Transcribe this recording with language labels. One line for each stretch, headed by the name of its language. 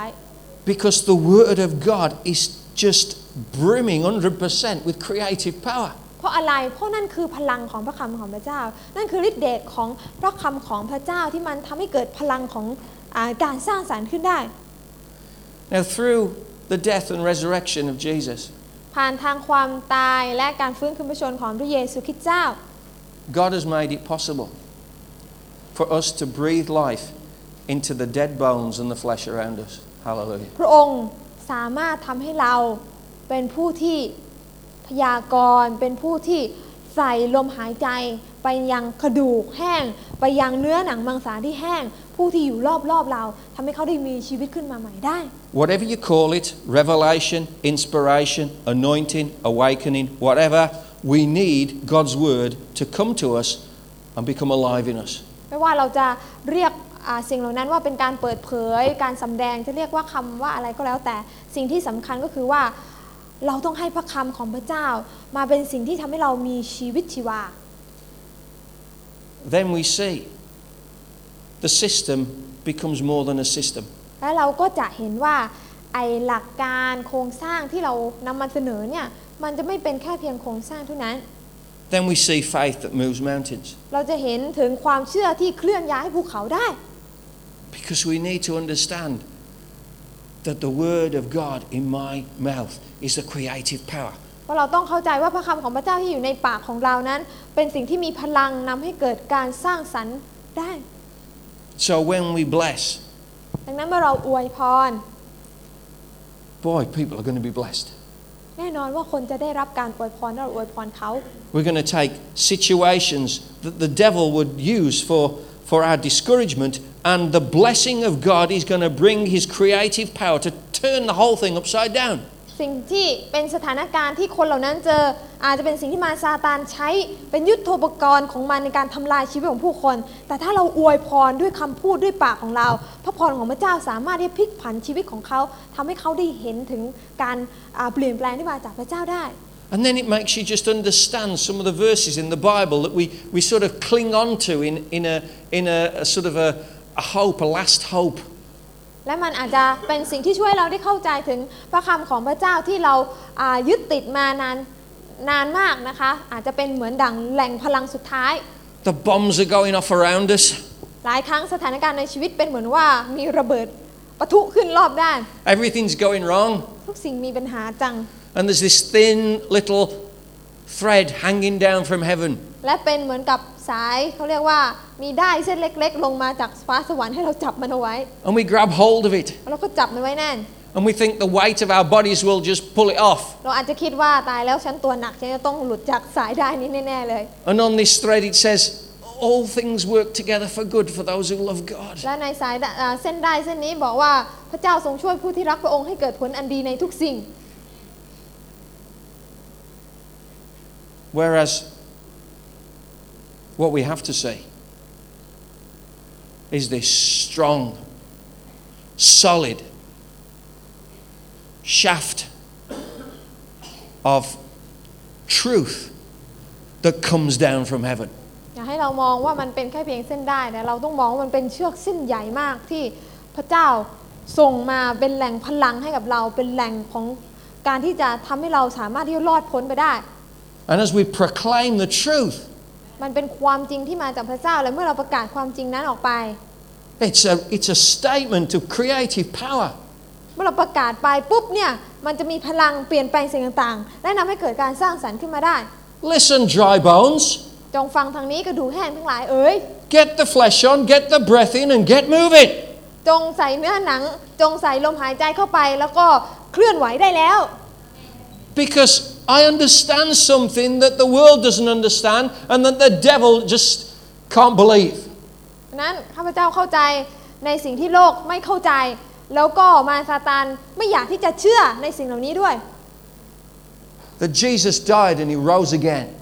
English: Because the word of God is just brimming 100% with creative power.
Thai: เพราะอะไรเพราะนั่นคือพลังของพระคำของพระเจ้านั่นคือฤทธิ์เดชของพระคำของพระเจ้าที่มันทำให้เกิดพลังของการสร้างสรรค์ขึ้นได้
English: Now through the death and resurrection of Jesus
Thai: ผ่านทางความตายและการฟื้นคืนพระชนม์ของพระเยซูคริสต์เจ้า
English: God has made it possible for us to breathe life into the dead bones and the flesh around us Hallelujah
Thai: พระองค์สามารถทำให้เราเป็นผู้ที่พยากรณ์เป็นผู้ที่ใส่ลมหายใจไปยังกระดูกแห้งไปยังเนื้อหนังมังสาที่แห้งผู้ที่อยู่รอบๆเราทำให้เขาได้มีชีวิตขึ้นมาใหม่ได้
English: Whatever you call it revelation inspiration anointing awakening whatever we need God's word to come to us and become alive in us
Thai: ไม่ว่าเราจะเรียกสิ่งเหล่านั้นว่าเป็นการเปิดเผยการสําแดงจะเรียกว่าคําว่าอะไรก็แล้วแต่สิ่งที่สําคัญก็คือว่าเราต้องให้พระคําของพระเจ้ามาเป็นสิ่งที่ทําให้เรามีชีวิตชีวา
English: Then we seeThe system becomes more than a system.
Thai: แล้วเราก็จะเห็นว่าไอ้หลักการโครงสร้างที่เรานำมาเสนอเนี่ยมันจะไม่เป็นแค่เพียงโครงสร้างเท่านั้น
English: Then we see faith that moves mountains.
Thai: เราจะเห็นถึงความเชื่อที่เคลื่อนย้ายภูเขาได้
English: Because we need to understand that the word of God in my mouth is the creative power.
Thai: เพราะเราต้องเข้าใจว่าพระคำของพระเจ้าที่อยู่ในปากของเรานั้นเป็นสิ่งที่มีพลังนำให้เกิดการสร้างสรรค์ได้
English: So when we bless,
Thai: ดังนั้นเมื่อเราอวยพร
English: boy, people are going to be blessed.
Thai: แน่นอนว่าคนจะได้รับการอวยพรเราอวยพรเขา
English: We're going to take situations that the devil would use for our discouragement, and the blessing of God is going to bring His creative power to turn the whole thing upside down.
Thai: สิ่งที่เป็นสถานการณ์ที่คนเหล่านั้นเจออาจจะเป็นสิ่งที่มารซาตานใช้เป็นยุทโธปกรณ์ของมันในการทำลายชีวิตของผู้คนแต่ถ้าเราอวยพรด้วยคำพูดด้วยปากของเราพระพรของพระเจ้าสามารถที่พลิกผันชีวิตของเขาทำให้เขาได้เห็นถึงการเปลี่ยนแปลงที่มาจากพระเจ้าได้
English: And then it makes you just understand some of the verses in the Bible that we sort of cling on to in a sort of a hope a last hope
Thai: และมันอาจจะเป็นสิ่งที่ช่วยเราได้เข้าใจถึงพระคำของพระเจ้าที่เรายึดติดมานานมากนะคะอาจจะเป็นเหมือนดั่งแหล่งพลังสุดท้าย
English: The bombs are going off around us
Thai: หลายครั้งสถานการณ์ในชีวิตเป็นเหมือนว่ามีระเบิดปะทุขึ้นรอบด้าน
English: Everything's going wrong
Thai: ทุกสิ่งมีปัญหาจัง
English: and there's this thin little thread hanging down from heaven.
Thai: และเป็นเหมือนกับสายเขาเรียกว่ามีได้เส้นเล็กๆลงมาจากฟ้าสวรรค์ให้เราจับมันเอาไว้
English: And we grab hold of it.
Thai: เราก็จับมันไว้แน่น
English: And we think the weight of our bodies will just pull it off.
Thai: เราอาจจะคิดว่าตายแล้วฉันตัวหนักฉันจะต้องหลุดจากสายได้นี้แน่ๆเลย
English: And on this thread it says. All things work together for good for those who love God.
Thai: และในสายเส้นได้เส้นนี้บอกว่าพระเจ้าทรงช่วยผู้ที่รักพระองค์ให้เกิดผลอันดีในทุกสิ่ง
English: Whereas what we have to say is this strong, solid shaft of truth that comes down from heaven.
Thai: อยากให้เรามองว่ามันเป็นแค่เพียงเส้นได้แต่เราต้องมองว่ามันเป็นเชือกเส้นใหญ่มากที่พระเจ้าส่งมาเป็นแหล่งพลังให้กับเราเป็นแหล่งของการที่จะทำให้เราสามารถที่จะรอดพ้นไปได้
English: And as we proclaim the truth
Thai: มันเป็นความจริงที่มาจากพระเจ้าและเมื่อเราประกาศความจริงนั้นออกไป
English: It's a statement of creative power
Thai: เมื่อเราประกาศไปปุ๊บเนี่ยมันจะมีพลังเปลี่ยนแปลงสิ่งต่างๆและนำให้เกิดการสร้างสรรค์ขึ้นมาได้
English: Listen dry bones
Thai: จงฟังทางนี้กระดูกแห้งทั้งหลายเอ๋ย
English: Get the flesh on, get the breath in, and get moving.
Thai: จงใส่เนื้อหนังจงใส่ลมหายใจเข้าไปแล้วก็เคลื่อนไหวได้แล้ว
English: Because I understand something that the world doesn't understand, and that the devil just can't believe.
Thai: นั้นข้าพเจ้าเข้าใจในสิ่งที่โลกไม่เข้าใจแล้วก็มารซาตานไม่อยากที่จะเชื่อในสิ่งเหล่านี้ด้วย
English: That Jesus died and he rose again.